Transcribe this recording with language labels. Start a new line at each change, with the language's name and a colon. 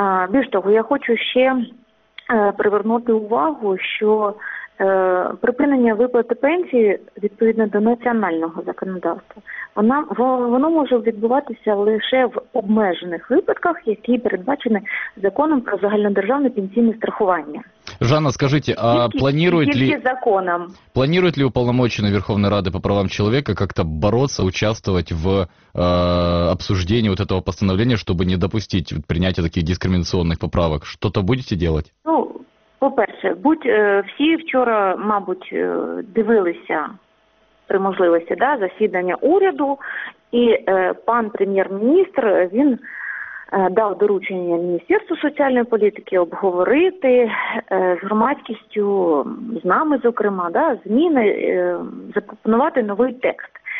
Ukrainian: Більш того, я хочу ще привернути увагу, що припинення виплати пенсії відповідно до національного законодавства, воно може відбуватися лише в обмежених випадках, які передбачені законом про загальнодержавне пенсійне страхування.
Russian: Жанна, скажите, а планирует ли уполномоченный Верховной Рады по правам человека как-то бороться, участвовать в обсуждении вот этого постановления, чтобы не допустить принятия таких дискриминационных поправок? Что-то будете делать?
Ukrainian: Ну, по-перше, всі вчора, мабуть, дивилися при можливості, да, засідання уряду, і пан прем'єр-міністр, він дав доручення Міністерству соціальної політики обговорити з громадськістю, з нами, зокрема, да, зміни, запропонувати новий текст.